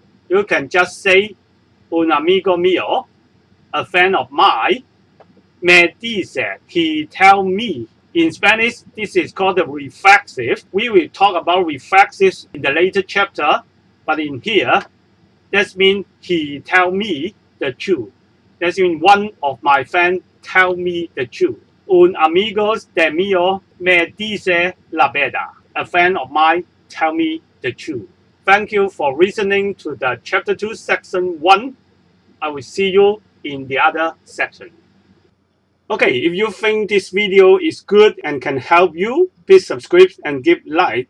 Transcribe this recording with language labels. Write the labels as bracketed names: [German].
[English] You can just say [Spanish] un amigo mío, [English] a friend of mine, [Spanish] me dice, [English] he tell me. In Spanish, this is called the reflexive. We will talk about reflexive in the later chapter, but in here, that means he tell me the truth. That means one of my friends tell me the truth. [Spanish] Un amigo de mío me dice la verdad. [English] A friend of mine tell me the truth. Thank you for listening to the chapter 2, section 1. I will see you in the other section. Okay, if you think this video is good and can help you, please subscribe and give like.